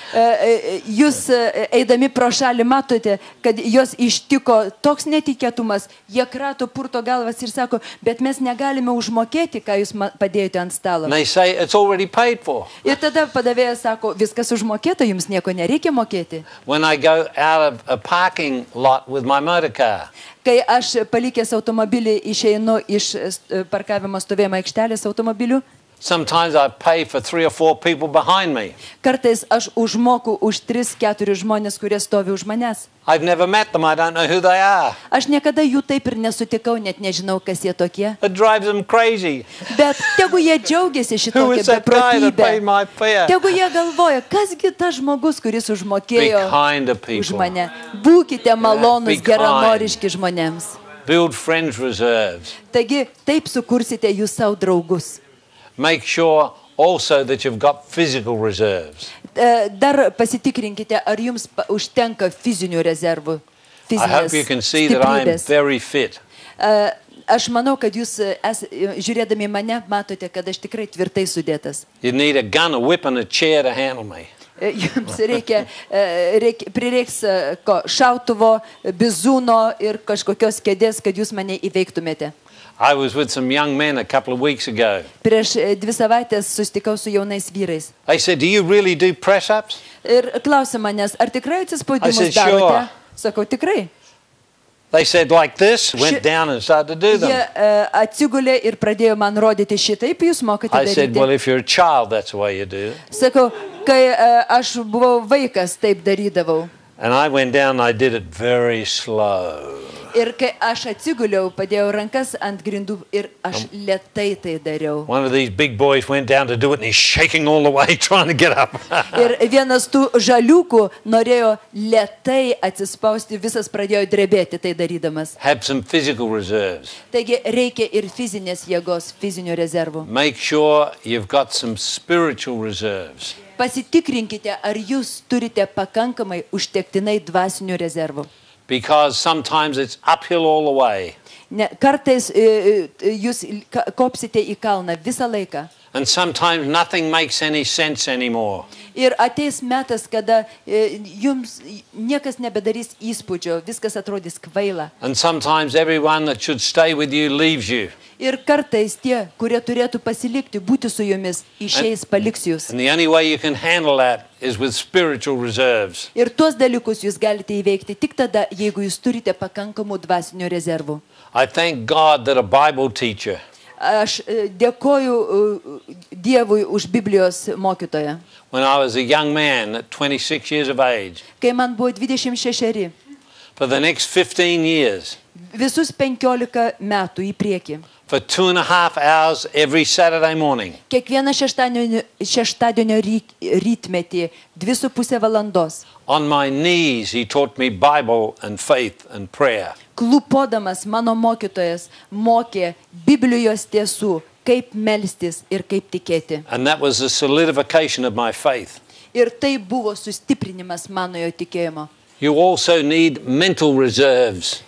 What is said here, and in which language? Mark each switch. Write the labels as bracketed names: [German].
[Lithuanian] Jūs eidami pro šalį matote, kad jos ištiko toks netikėtumas, jie krato purto galvas ir sako, bet mes negalime užmokėti, ką jūs padėjote ant stalo. [English] And they say, it's already paid for. [Lithuanian] Ir tada padavėjas sako, viskas užmokėta, jums nieko nereikia mokėti. [English] When I go out of a parking lot with my motor car. [Lithuanian] Kai aš palikęs automobilį išeinu iš parkavimo stovėjimo aikštelės automobiliu. [English] Sometimes I pay for three or four people behind me. [Lithuanian] Kartais aš užmoku už 3-4 žmones, kurie stovi už manęs. [English] I've never met them, I don't know who they are. [Lithuanian] Aš niekada jų taip ir nesutikau, net nežinau, kas jie tokie. [English] It drives them crazy. [Lithuanian] Bet tegu jie džiaugiasi šitokia beprotybė. Tegu jie galvoja, kasgi tas žmogus, kuris užmokėjo už mane. Būkite malonus, geranoriški žmonėms. [English] Build friends reserves. [Lithuanian] Taigi, taip sukursite jūs savo draugus. [English] Make sure also that you've got physical reserves. [Lithuanian] Dar pasitikrinkite, ar jums užtenka fizinių rezervų. [English] I hope you can see that I'm very fit. [Lithuanian] Aš manau, kad jūs žiūrėdami į mane matote, kad aš tikrai tvirtai sudėtas. [English] You need a gun, a whip and a chair to handle me. [Lithuanian] Jums reikia prireiks šautuvo, bizūno ir kažkokios kėdės, kad jūs mane įveiktumėte. [English] I was with some young men a couple of weeks ago. [Lithuanian] Prieš 2 savaites susitikau su jaunais vyrais. [English] I said, "Do you really do press-ups?" [Lithuanian] Ir klausė manęs, ar tikrai atsispaudimus darote? [English] Sure. [Lithuanian] Sakau, tikrai. [English] They said like this, went down and started to do them. [Lithuanian] Jie atsigulė ir pradėjo man rodyti šitaip, jūs mokate daryti. [English] I said, "Well, if you're a child, that's the way you do." [Lithuanian] Sakau, kai aš buvau vaikas, taip darydavau. [English] And I went down, I did it very slow. [Lithuanian] Ir kai aš atsiguliau, padėjau rankas ant grindų ir aš lėtai tai dariau. [English] One of these big boys went down to do it and he's shaking all the way trying to get up. [Lithuanian] Ir vienas tų žaliukų norėjo lėtai atsispausti, visas pradėjo drebėti tai darydamas. [English] Have some physical reserves. [Lithuanian] Taigi reikia ir fizinės jėgos, fizinių rezervų. [English] Make sure you've got some spiritual reserves. [Lithuanian] Pasitikrinkite, ar jūs turite pakankamai užtektinai dvasinių rezervų. [English] Because sometimes it's uphill all the way. [Lithuanian] Kartais jūs kopsite į kalną visą laiką. [English] And sometimes nothing makes any sense anymore. [Lithuanian] Ir ateis metas, kada jums niekas nebedarys įspūdžio, viskas atrodys kvaila. [English] And sometimes everyone that should stay with you leaves you. [Lithuanian] Ir kartais tie, kurie turėtų pasilikti, būti su jumis, išeis, paliks jūs. [English] And the only way you can handle that is with spiritual reserves. [Lithuanian] Ir tuos dalykus jūs galite įveikti tik tada, jeigu jūs turite pakankamų dvasinių rezervų. [English] I thank God that a Bible teacher. [Lithuanian] Aš dėkoju Dievui už Biblijos mokytoją. [English] When I was a young man at 26 years of age. [Lithuanian] Kai man buvo 26. [English] For the next 15 years. [Lithuanian] Visus 15 metų į priekį. [English] For 2.5 hours every Saturday morning. [Lithuanian] Kiekvieną šeštadienio rytmetį 2.5 valandos. [English] On my knees he taught me Bible and faith and prayer. [Lithuanian] Klūpodamas mano mokytojas mokė Biblijos tiesų, kaip melstis ir kaip tikėti. [English] And that was a solidification of my faith. [Lithuanian] Ir tai buvo sustiprinimas manojo tikėjimo. [English] You also need mental reserves.